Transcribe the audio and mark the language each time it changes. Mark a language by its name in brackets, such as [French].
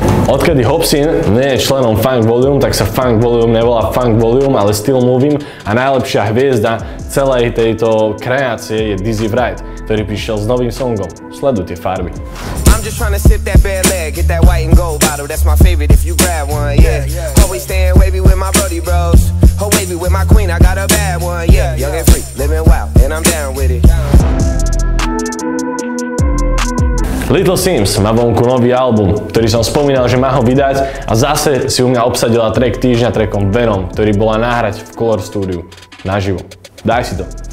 [Slovak] Odkedy Hobsin nie je členom Funk Volume, tak sa Funk Volume nevolá Funk Volume, ale Still Moving a najlepšia hviezda celej tejto kreácie je Dizzy Wright, ktorý prišiel s novým songom. Sleduj tie farby. [English] I'm just trying to sip that bad leg, get that white and gold bottle, that's my favorite if you grab one, yeah. Always staying wavy with my buddy bros, ho wavy with my queen, I got a bad one, yeah. Young and free, living wild, and I'm down with it. [Slovak] Little Sims má vonku nový album, ktorý som spomínal, že má ho vydať a zase si u mňa obsadila track týždňa trackom Venom, ktorý bola nahrať v Color Studio naživo. Daj si to.